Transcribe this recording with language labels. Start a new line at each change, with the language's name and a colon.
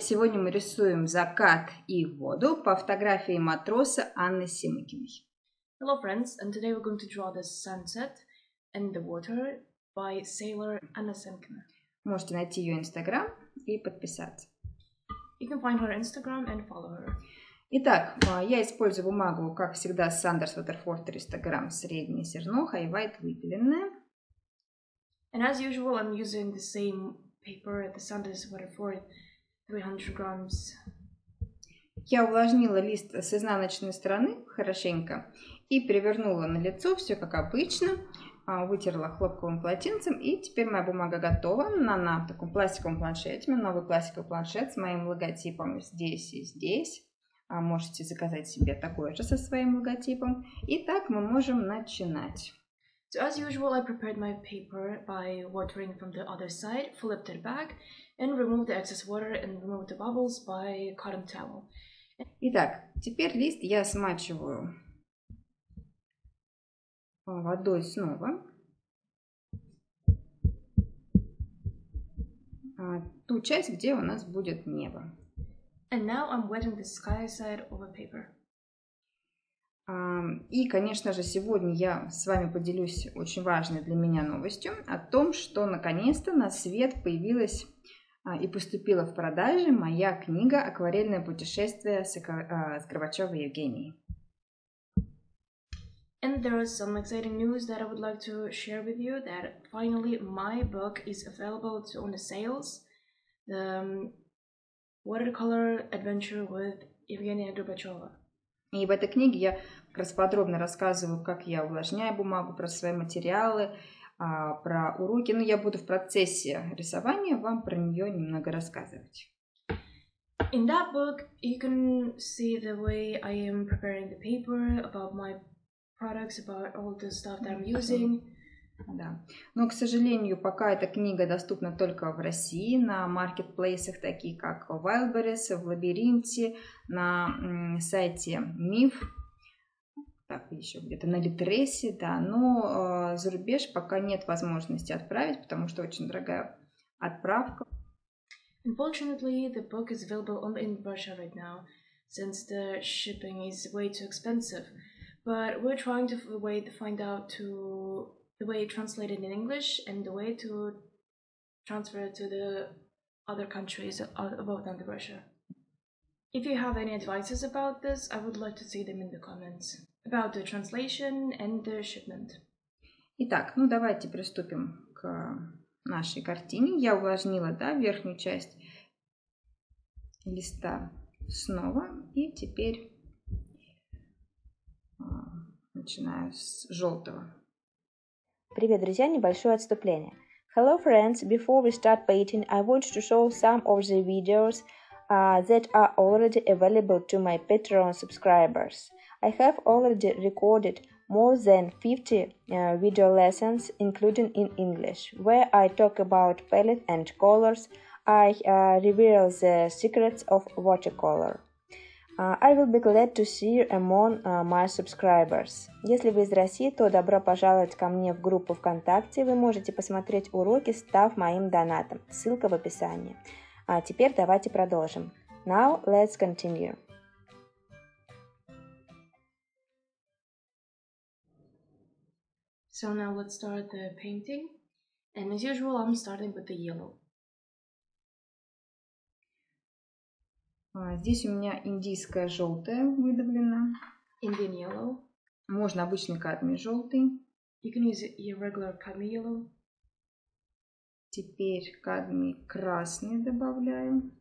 Russian: Сегодня мы рисуем закат и воду по фотографии матроса Анны Симакиной.
English: Hello, friends! And today we're going to draw the sunset and the water by sailor Anna Simakina.
Russian: Можете найти ее Instagram и подписаться.
English: You can find her Instagram and follow her.
Russian: Итак, я использую бумагу, как всегда, Saunders Waterford 300 грамм, среднее зерно, хайвайт, выделенное.
English: And as usual, I'm using the same paper, the Saunders Waterford 300 grams.
Russian: Я увлажнила лист с изнаночной стороны хорошенько и перевернула на лицо, все как обычно, вытерла хлопковым полотенцем, и теперь моя бумага готова на таком пластиковом планшете, мой новый пластиковый планшет с моим логотипом здесь и здесь. Можете заказать себе такое же со своим логотипом. Итак, мы можем начинать.
English: So as usual, I prepared my paper by watering from the other side, flipped it back, and removed the excess water and removed the bubbles by cotton towel.
Russian: Итак, теперь лист я смачиваю водой снова. Ту часть, где у нас будет небо.
English: And now I'm wetting the sky side of a paper.
Russian: И, конечно же, сегодня я с вами поделюсь очень важной для меня новостью о том, что наконец-то на свет появилась и поступила в продаже моя книга «Акварельное путешествие с Горбачевой Евгенией».
English: And there is some exciting news that I would like to share with you, that finally my book is available to on the sales. The watercolor adventure with Евгения Горбачева.
Russian: И в этой книге я как раз подробно рассказываю, как я увлажняю бумагу, про свои материалы, про уроки. Но я буду в процессе рисования вам про нее немного рассказывать.
English: In that book you can see the way I am preparing the paper, about my products, about all the stuff that I'm using.
Russian: Да. Но, к сожалению, пока эта книга доступна только в России, на маркетплейсах, такие как Wildberries, в Лабиринте, на сайте Миф, так, еще где-то на Литресе, да, но за рубеж пока нет возможности отправить, потому что очень дорогая отправка.
English: Unfortunately, the book is available only in Russia right now, since the shipping is way too expensive. But we're trying to wait to find out to the way it translated in English and the way to transfer it to the other countries about under Russia. If you have any advices about this, I would like to see them in the comments about the translation and the shipment.
Russian: Итак, ну давайте приступим к нашей картине. Я увлажнила, да, верхнюю часть листа снова, и теперь начинаю с желтого. Привет, друзья! Небольшое отступление.
English: Hello, friends! Before we start painting, I want to show some of the videos that are already available to my Patreon subscribers. I have already recorded more than 50 video lessons, including in English, where I talk about palette and colors. I reveal the secrets of watercolor. I will be glad to see you among my subscribers.
Russian: Если вы из России, то добро пожаловать ко мне в группу ВКонтакте. Вы можете посмотреть уроки, став моим донатом. Ссылка в описании. А теперь давайте продолжим.
English: Now let's continue. So now let's start the painting. And as usual, I'm starting with the yellow.
Russian: Здесь у меня индийское желтое выдавлено.
English: Indian yellow.
Russian: Можно обычный кадмий желтый.
English: You can use your regular cadmium yellow.
Russian: Теперь кадмий красный добавляю.